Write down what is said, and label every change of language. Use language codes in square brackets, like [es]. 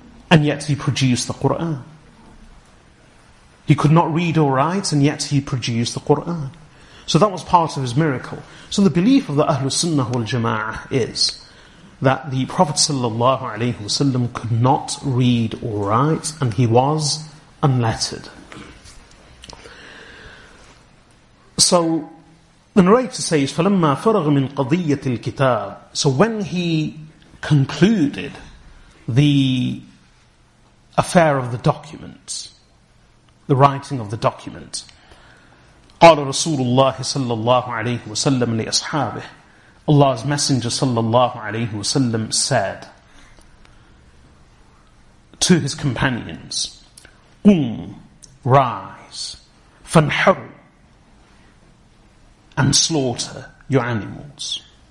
[en] And yet he produced the Qur'an. He could not read or write, and yet he produced the Qur'an. So that was part of his miracle. So the belief of the Ahlul Sunnah wal Jama'ah is that the Prophet sallallahu alaihi wasallam could not read or write, and he was unlettered. So the narrator says, [ar] فَلَمَّا فَرَغَ مِنْ قَضِيَّةِ الْكِتَابِ. [en] So when he concluded the affair of the document, the writing of the document, [ar] قَالَ رَسُولُ اللَّهِ صَلَّى اللَّهُ عَلَيْهُ وَسَلَّمَ لِأَصْحَابِهِ. [en] Allah's Messenger sallallahu alayhi wa sallam said to his companions, rise, fanharu, and slaughter your animals.